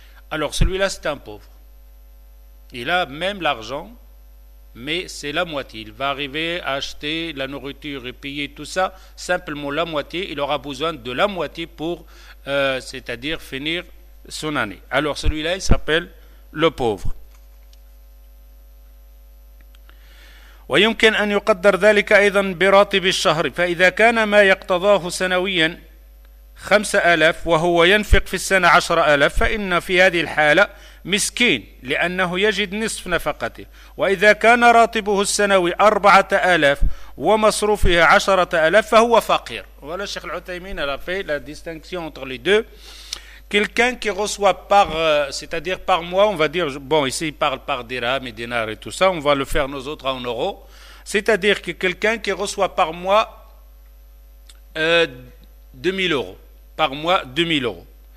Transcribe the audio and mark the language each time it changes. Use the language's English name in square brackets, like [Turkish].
[French] Alors celui-là, c'est un pauvre. Il a même l'argent, mais c'est la moitié. Il va arriver à acheter la nourriture et payer tout ça, simplement la moitié. Il aura besoin de la moitié pour, c'est-à-dire finir son année. Alors celui-là, il s'appelle le pauvre. [Arabic] ويمكن أن يقدر ذلك أيضا براتب الشهر فإذا كان ما يقتضاه سنويا 5,000 وهو ينفق في السنة 10,000 فإن في هذه الحالة مسكين لأنه يجد نصف نفقته وإذا كان راتبه السنوي 4,000 ومصروفه 10,000 فهو فقير ولا الشيخ العثيمين لا في لا ديستينكسيون [French] entre les deux. Quelqu'un qui reçoit par, c'est-à-dire par mois, on va dire, bon, ici il parle par dirhams et dinars et tout ça, on va le faire nous autres en euros. C'est-à-dire que quelqu'un qui reçoit par mois 2000 euros, par mois 2000 euros.